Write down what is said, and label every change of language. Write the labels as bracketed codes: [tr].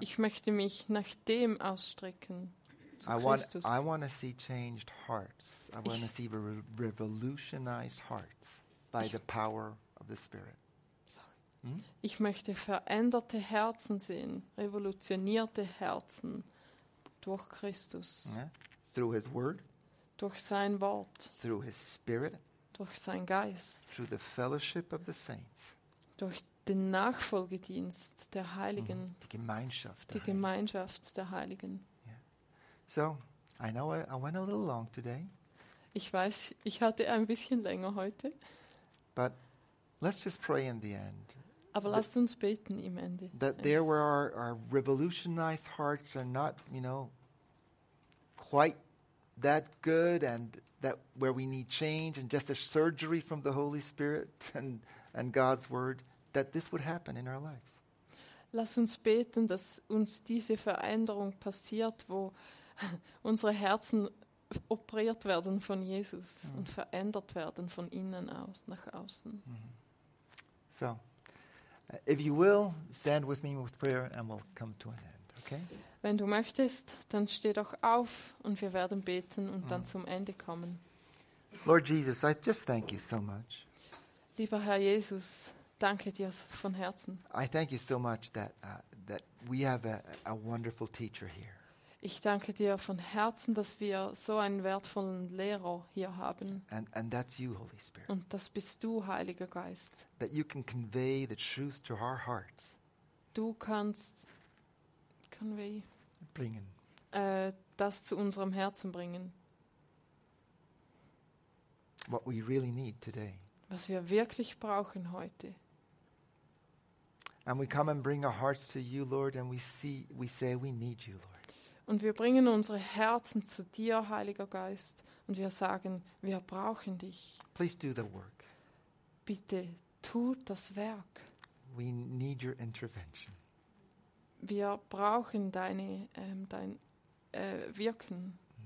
[de] Ich möchte mich nach dem ausstrecken zu Christus. [en] I want to see changed hearts. I want to see revolutionized hearts by the power of the Spirit. [de] Ich möchte veränderte Herzen sehen, revolutionierte Herzen durch Christus. [en] Yeah. Through his word. [de] Durch sein Wort. [en] Through his spirit. [de] Durch sein Geist. [en] Through the fellowship of the saints. [de] Durch den Nachfolgedienst der Heiligen. Mm. Die Gemeinschaft. Die Gemeinschaft der Heiligen. Yeah. [en] So, I know I went a little long today. [de] Ich weiß, ich hatte ein bisschen länger heute. [en] But let's just pray in the end. [de] Aber lasst uns beten im Ende. [en] That there where our revolutionized hearts are not, you know, quite that good, and that where we need change and just a surgery from the Holy Spirit and God's word, that this would happen in our lives. [de] Lasst uns beten, dass uns diese Veränderung passiert, wo unsere Herzen operiert werden von Jesus und verändert werden von innen aus nach außen. So. [en] If you will, stand with me with prayer and we'll come to an end, okay? [de] Wenn du möchtest, dann steh doch auf und wir werden beten und dann zum Ende kommen. [en] Lord Jesus, I just thank you so much. [de] Lieber Herr Jesus, danke dir von Herzen. [en] I thank you so much that that we have a wonderful teacher here. [de] Ich danke dir von Herzen, dass wir so einen wertvollen Lehrer hier haben. [en] And that's you, Holy Spirit. [de] Und das bist du, Heiliger Geist. [en] That you can convey the truth to our hearts. [de] Du kannst bringen. Das zu unserem Herzen bringen. [en] What we really need today. [de] Was wir wirklich brauchen heute. [en] And we come and bring our hearts to you, Lord, and we say we need you, Lord. [de] Und wir bringen unsere Herzen zu dir, Heiliger Geist, und wir sagen, wir brauchen dich. [en] Please do the work. [de] Bitte tu das Werk. [en] We need your intervention. [de] Wir brauchen deine dein Wirken.